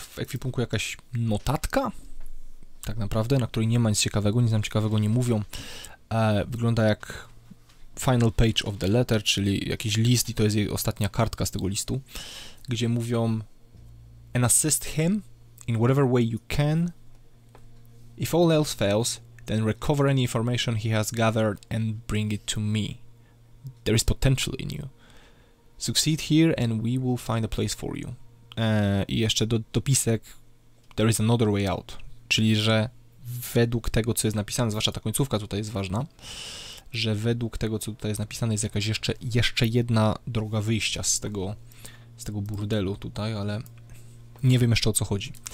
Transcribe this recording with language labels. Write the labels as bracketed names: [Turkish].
[Polish] W ekwipunku jakaś notatka, tak naprawdę, na której nie ma nic ciekawego, nic nam ciekawego nie mówią. Wygląda jak [English] final page of the letter, [Polish] czyli jakiś list i to jest jej ostatnia kartka z tego listu, gdzie mówią [English] and assist him in whatever way you can. If all else fails, then recover any information he has gathered and bring it to me. There is potential in you. Succeed here and we will find a place for you. [Polish] I jeszcze dopisek [English] there is another way out, [Polish] czyli że według tego, co jest napisane, zwłaszcza ta końcówka tutaj jest ważna, że według tego, co tutaj jest napisane, jest jakaś jeszcze jedna droga wyjścia z tego burdelu tutaj, ale nie wiem jeszcze, o co chodzi.